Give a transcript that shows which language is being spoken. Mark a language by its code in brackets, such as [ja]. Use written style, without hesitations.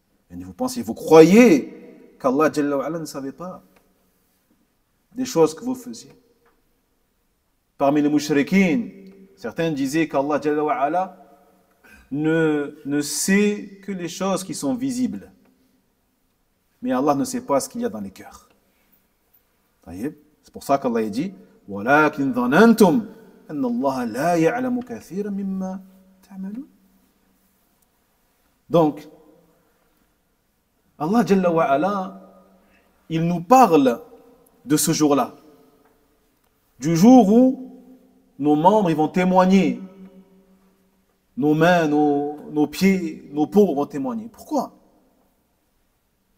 [fr] Et vous pensiez, vous croyez qu'Allah Jalla wa'ala ne savait pas des choses que vous faisiez. Parmi les mushrikin, certains disaient qu'Allah Jalla wa'ala ne sait que les choses qui sont visibles. Mais Allah ne sait pas ce qu'il y a dans les cœurs. C'est pour ça qu'Allah a dit [ar] وَلَكِنْ ظَنَنْتُمْ أَنَّ اللَّهَ لَا يَعْلَمُ كَثِيرًا مِمَّا تَعْمَلُونَ. [fr] Donc, Allah Jalla wa'ala, il nous parle de ce jour-là. Du jour où nos membres vont témoigner. Nos mains, nos pieds, nos peaux vont témoigner. Pourquoi ?